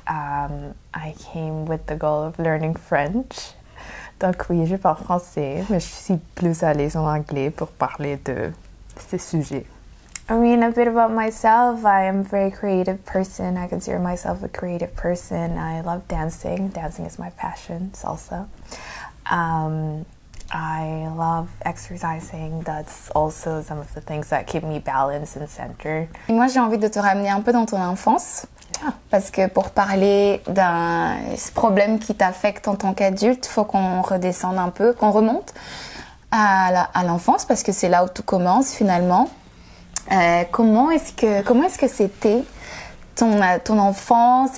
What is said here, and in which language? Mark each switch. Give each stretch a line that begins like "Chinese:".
English: I came with the goal of learning French.
French: Donc oui, je parle français, mais je suis plus à l'aise en anglais pour parler de ces sujets.
English: I mean, a bit about myself, I am a very creative person, I consider myself a creative person, I love dancing, dancing is my passion, salsa. I love exercising, that's also some of the things that keep me balanced and centered.
French: Et moi j'ai envie de te ramener un peu dans ton enfance, parce que pour parler d'un problème qui t'affecte en tant qu'adulte, faut qu'on redescende un peu, qu'on remonte à l'enfance, parce que c'est là où tout commence finalement. Comment est-ce que c'était ton enfance?